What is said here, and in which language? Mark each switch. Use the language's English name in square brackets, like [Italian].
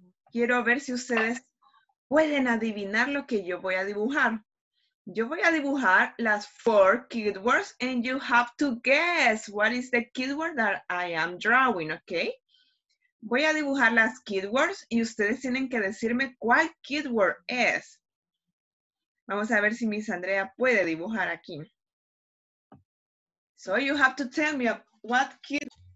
[Spanish] quiero ver si ustedes pueden adivinar lo que yo voy a dibujar. Yo voy a dibujar las [English] four keyword words and you have to guess what is the keyword that I am drawing, okay? [Spanish] Voy a dibujar las keywords y ustedes tienen que decirme cuál keyword es. Vamos a ver si Miss Andrea puede dibujar aquí. [English] So you have to tell me what keyword.